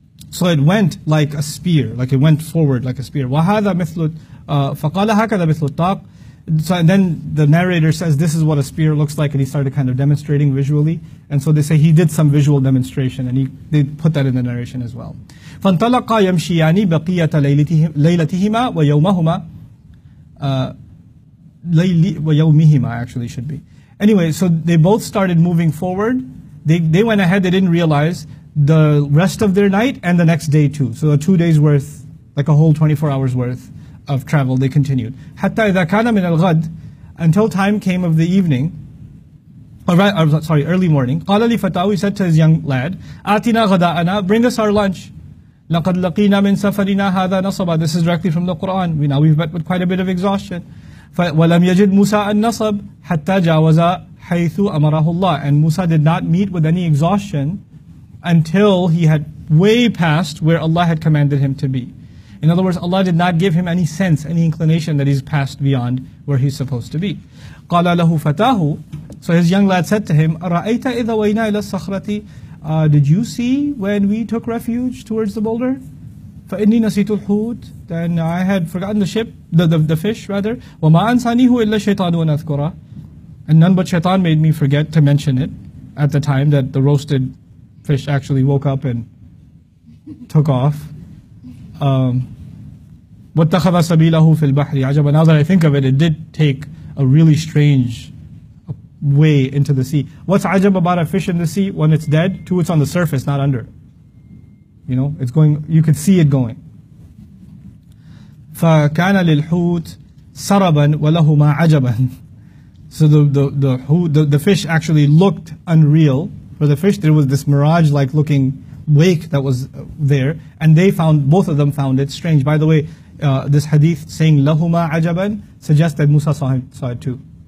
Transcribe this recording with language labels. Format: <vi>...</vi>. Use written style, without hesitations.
<en>So it went like a spear, like it went forward like a spear.</en> <ar>وَهَذَا مِثْلُ فَقَالَ هَكَذَا مِثْلُ الطَّاقِ.</ar> <en>So then the narrator says, this is what a spear looks like, and he started kind of demonstrating visually. And so they say he did some visual demonstration, and they put that in the narration as well.</en> <ar>فَانْتَلَقَا يَمْشِيَانِ بَقِيَةَ لَيْلَتِهِمَا وَيَوْمَهُمَا وَيَوْمِهِمَا</ar> <en>actually should be. Anyway, so they both started moving forward. They went ahead, they didn't realize, the rest of their night and the next day too. So 2 days worth like a whole 24 hours worth of travel. They continued.</en> <ar>حتى إذا كان من الغد,</ar> <en>until time came of the evening, early morning,</en> <ar>قال لي فتاوي,</ar> <en>he said to his young lad,</en> <ar>آتنا غداءنا,</ar> <en>bring us our lunch.</en> <ar>لقد لقينا من سفرنا هذا نصبا.</ar> <en>This is directly from the Quran. We know we've met with quite a bit of exhaustion.</en> <ar>ولم يجد موسى النصب حتى جاوز حيث أمره الله.</ar> <en>And Musa did not meet with any exhaustion until he had way past where Allah had commanded him to be. In other words, Allah did not give him any sense, any inclination that he's passed beyond where he's supposed to be.</en> <ar>قال له فتاه.</ar> <en>So his young lad said to him,</en> <ar>أرأيت إذا وينا إلى الصخرة,</ar> <en>did you see when we took refuge towards the boulder?</en> <ar>فإني نسيت الحوت,</ar> <en>then I had forgotten the ship, the fish rather.</en> <ar>وما أنسانيه إلا الشيطان أن أذكره.</ar> <en>And none but Shaitan made me forget to mention it at the time that the roasted fish actually woke up and took off.</en> <ar>واتخذ سبيله في البحر. عجبا.</ar> <en>Now that I think of it, it did take a really strange way into the sea. What's عجب about a fish in the sea? One, it's dead. Two, it's on the surface, not under. You know, it's going, you could see it going.</en> <ar>فكان للحوت سربا ولهما عجبا.</ar> <en>So the fish actually looked unreal. For the fish, there was this mirage-like looking wake that was there, and they found, both of them found it strange. By the way, this hadith saying</en> <ar>lahuma ajaban</ar> <en>suggests that Musa saw it too.</en>